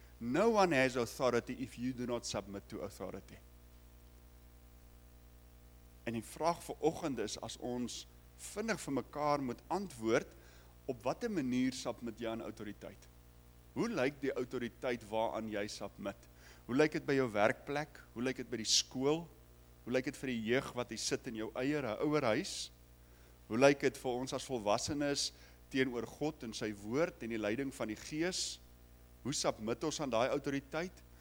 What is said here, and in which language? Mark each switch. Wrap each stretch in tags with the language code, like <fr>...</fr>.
<en>No one has authority if you do not submit to authority.</en> <af>En die vraag vir oggend is, as ons vinnig vir mekaar moet antwoord, op watter manier submit jy aan autoriteit? Hoe lyk die autoriteit waaraan jy submit? Hoe lyk dit by jou werkplek? Hoe lyk dit by die skool? Hoe lyk dit vir die jeug wat hier sit in jou eie ouerhuis? Hoe lyk dit vir ons as volwassenes teenoor God en sy woord en die leiding van die Gees? Hoe submit ons aan daai autoriteit?</af>